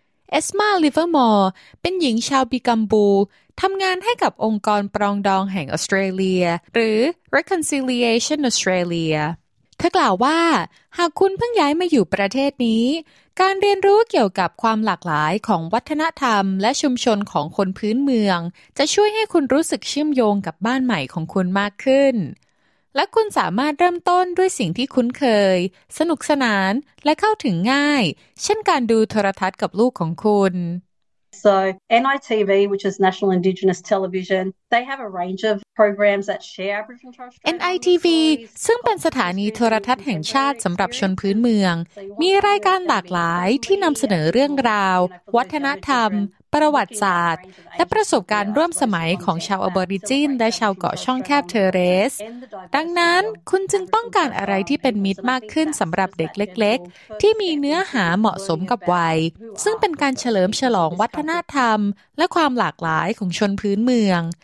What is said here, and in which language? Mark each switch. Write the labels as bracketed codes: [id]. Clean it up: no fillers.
[th] เอสมาลิเวอร์มอร์เป็นหญิงชาวบิกัมบูทำงานให้กับองค์กรปรองดองแห่งออสเตรเลียหรือ Reconciliation Australiaเธอกล่าวว่าหากคุณเพิ่งย้ายมาอยู่ประเทศนี้การเรียนรู้เกี่ยวกับความหลากหลายของวัฒนธรรมและชุมชนของคนพื้นเมืองจะช่วยให้คุณรู้สึกเชื่อมโยงกับบ้านใหม่ของคุณมากขึ้น และคุณสามารถเริ่มต้นด้วยสิ่งที่คุ้นเคยสนุกสนานและเข้าถึงง่ายเช่นการดูโทรทัศน์กับลูกของคุณ [en] So NITV which is National Indigenous Television they have a range ofNITV [th] ซึ่งเป็นสถานีโทรทัศน์แห่งชาติสำหรับชนพื้นเมืองมีรายการหลากหลายที่นำเสนอเรื่องราววัฒนธรรมประวัติศาสตร์และประสบการณ์ร่วมสมัยของชาวอบอริจินและชาวเกาะช่องแคบเทอร์เรสดังนั้นคุณจึงต้องการอะไรที่เป็นมิตรมากขึ้นสำหรับเด็กเล็กๆที่มีเนื้อหาเหมาะสมกับวัยซึ่งเป็นการเฉลิมฉลองวัฒนธรรมและความหลากหลายของชนพื้นเมือง